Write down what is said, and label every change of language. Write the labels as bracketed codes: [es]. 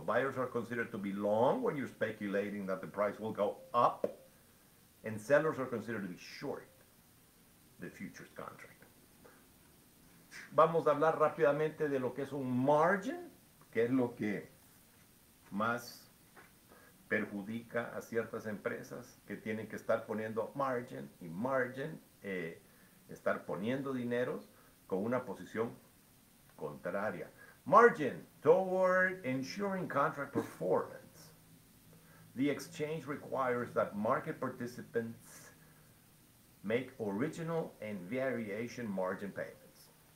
[en] Buyers are considered to be long when you're speculating that the price will go up. And sellers are considered to be short the futures contract. [es] Vamos a hablar rápidamente de lo que es un margin, que es lo que más perjudica a ciertas empresas que tienen que estar poniendo margin y margin, estar poniendo dineros con una posición contraria. [en] Margin, toward ensuring contract performance, the exchange requires that market participants make original and variation margin payments.